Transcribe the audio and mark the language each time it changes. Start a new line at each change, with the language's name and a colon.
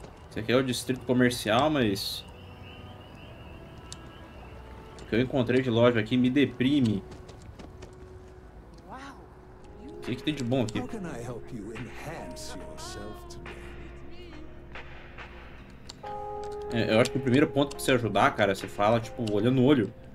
Portuguese: Esse aqui é o distrito comercial, mas o que eu encontrei de loja aqui me deprime. O que é que tem de bom aqui?
English: How can I help you enhance yourself today?
Portuguese: É, eu acho que o primeiro ponto pra você ajudar, cara, você fala, tipo, olhando no olho.